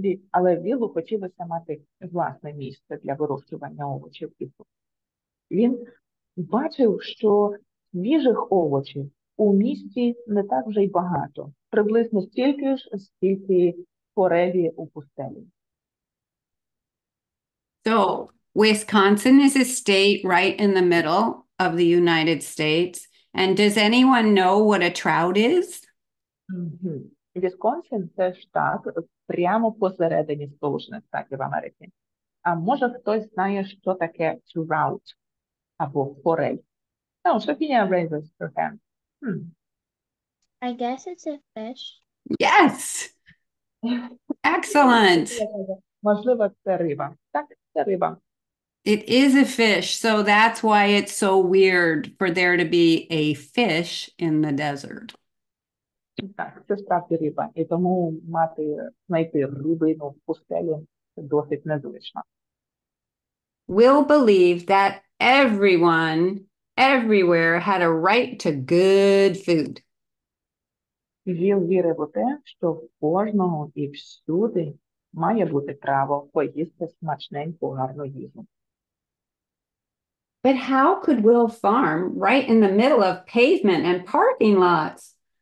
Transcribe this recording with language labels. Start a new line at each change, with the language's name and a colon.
Ukrainian: Але Віллу хотілося мати власне місце для вирощування овочів і фруктів. Він бачив, що свіжих овочів у місті не так вже й багато, приблизно стільки ж, скільки форелі у пустелі.
English: So, Wisconsin is a state right in the middle of the United States, and does anyone know what a trout is?
Ukrainian: Вісконсин – це штат прямо посередині Сполучених Штатів Америки. А може хтось знає, що таке trout або форель?
English: Ну, Софія raises her hand. I guess it's a fish. Yes! Excellent!
Ukrainian: Можливо, це риба. Так, це риба.
English: It is a fish, so that's why it's so weird for there to be a fish in the desert.
Ukrainian: Так, це справді риба, і тому мати знайти рибину в пустелі досить незвично.
English: Will believed that everyone everywhere had a right to good food.
Ukrainian: Він вірив у те, що в кожного і всюди має бути право поїсти смачненьку гарну їжу.
English: But how could Will farm right in the middle of pavement and parking lots?